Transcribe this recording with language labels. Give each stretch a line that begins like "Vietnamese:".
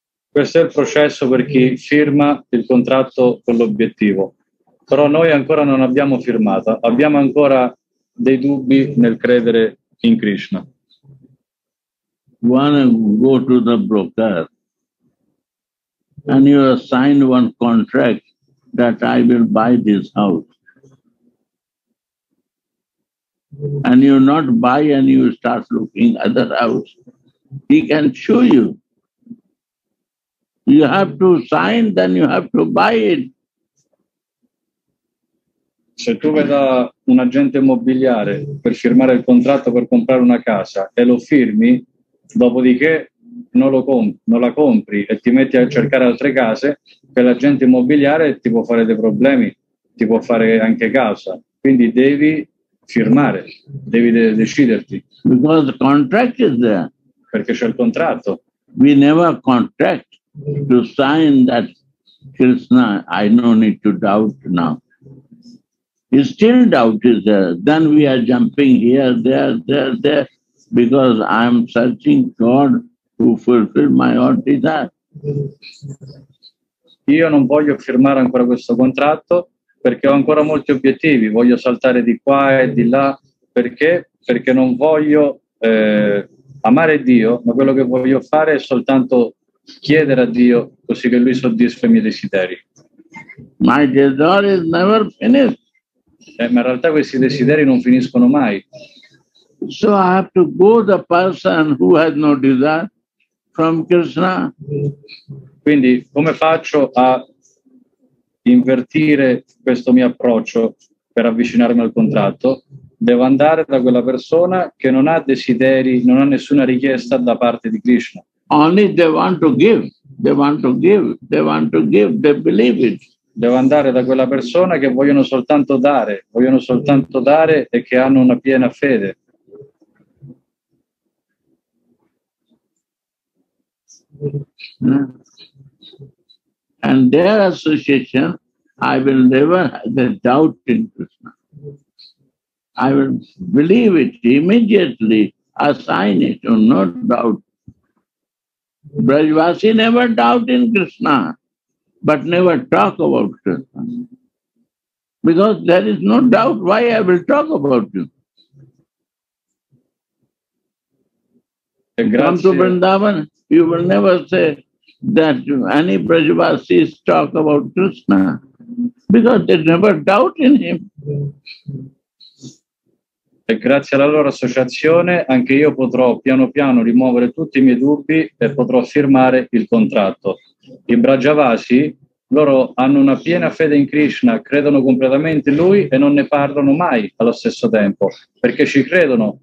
Italian: Questo è il processo per chi firma il contratto con l'obiettivo. Però noi ancora non abbiamo firmato, abbiamo ancora dei dubbi nel credere in Krishna.
English: One go to the broker and you assign one contract that I will buy this house. And you not buy and you start looking other house. He can show you. You have to sign, then you have to buy it.
Italian: Se tu veda un agente immobiliare per firmare il contratto per comprare una casa e lo firmi, dopodiché non la compri e ti metti a cercare altre case, quell'agente immobiliare ti può fare dei problemi, ti può fare anche causa. Quindi devi firmare, devi deciderti.
English: Because the contract is there.
Italian: Perché c'è il contratto.
English: We never contract to sign that Krishna, I no need to doubt now. Is still doubt is there. Then we are jumping here, there, because I am searching God who fulfilled my own desire.
Italian: Io non voglio firmare ancora questo contratto perché ho ancora molti obiettivi. Voglio saltare di qua e di là. Perché? Perché non voglio amare Dio, ma quello che voglio fare è soltanto chiedere a Dio così che Lui soddisfa i miei desideri.
English: My desire is never finished.
Italian: Ma in realtà questi desideri non finiscono mai.
English: So I have to go the person who has no desire from Krishna.
Italian: Quindi come faccio a invertire questo mio approccio per avvicinarmi al contratto? Devo andare da quella persona che non ha desideri, non ha nessuna richiesta da parte di Krishna.
English: Only they want to give, they believe it.
Italian: Devo andare da quella persona che vogliono soltanto dare e che hanno una piena fede.
English: And their association, I will never have the doubt in Krishna. I will believe it immediately, assign it, or not doubt. Brajvasi never doubt in Krishna. But never talk about Krishna. Because there is no doubt why I will talk about you. Come to Vrindavan, you will never say that any Brajavasis talk about Krishna. Because they never doubt in him.
Italian: E grazie alla loro associazione anche io potrò piano piano rimuovere tutti i miei dubbi e potrò firmare il contratto. I Brajavasi, loro hanno una piena fede in Krishna, credono completamente in lui e non ne parlano mai allo stesso tempo, perché ci credono.